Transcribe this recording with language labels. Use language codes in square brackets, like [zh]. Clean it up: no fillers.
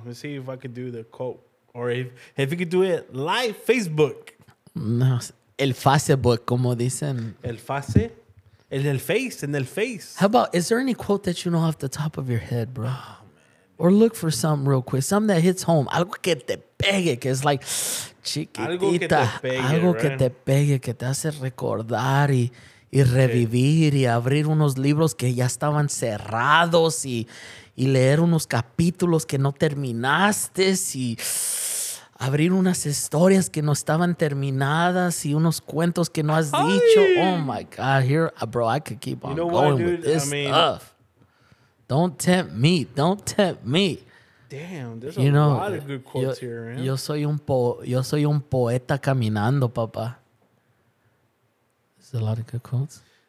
[en] Let's see if I could do the quote or if you could do it live Facebook. [es] No, el Facebook, como dicen. El face, el face, en el face. [en] How about? Is there any quote that you know off the top of your head, bro? Oh, man. Or look for something real quick, something that hits home. [es] Algo que te pegue, que es like. Chiquitita, algo que te pegue, que te hace recordar y revivir y abrir unos libros que ya estaban cerrados y leer unos capítulos que no terminaste y abrir unas historias que no estaban terminadas y unos cuentos que no has dicho. Ay. [en] Oh my God, here, bro, I could keep on going with this stuff. Don't tempt me. Damn, there's a lot of good quotes here, man. [es] Yo soy un poeta caminando, papa. [en] There's a lot of good quotes.